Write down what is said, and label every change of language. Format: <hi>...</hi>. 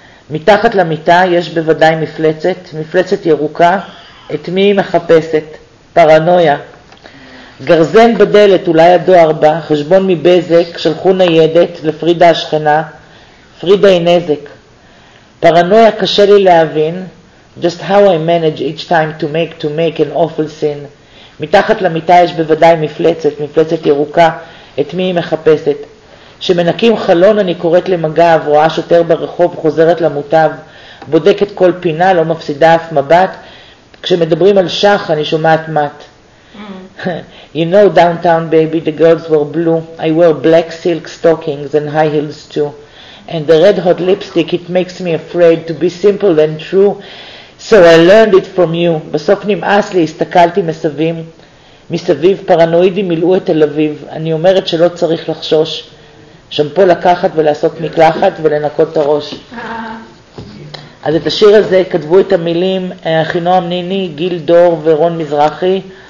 <he>מתחת למיטה יש בוודאי מפלצת. מפלצת ירוקה. את מי היא מחפשת? פרנויה. גרזן בדלת, אולי הדואר בא, חשבון מבזק, שלחו ניידת לפרידה השכנה, פרידה היא נזק.</he> <en>פרנויה קשה לי להבין, just how I manage each time to make an awful scene.</en> <he>מתחת למיטה יש בוודאי מפלצת, מפלצת ירוקה, את מי היא מחפשת. שמנקים חלון אני קוראת למגב, רואה שוטר ברחוב, חוזרת למוטב, בודקת כל פינה, לא מפסידה אף מבט, כשמדברים על שח אני שומעת מת.</he> <en>You know downtown baby, the girls were blue. I wear black silk stockings and high heels too. And the red hot lipstick, it makes me afraid to be simple and true. So I learned it from you.</en> <he>בסוף נמאס לי, הסתכלתי מסביב. מסביב פרנואידים מילאו את תל אביב. אני אומרת שלא צריך לחשוש. שמפו לקחת ולעשות מקלחת ולנקות את הראש. אז את השיר הזה כתבו את המילים חינוע מניני, גיל דור ורון מזרחי.</he>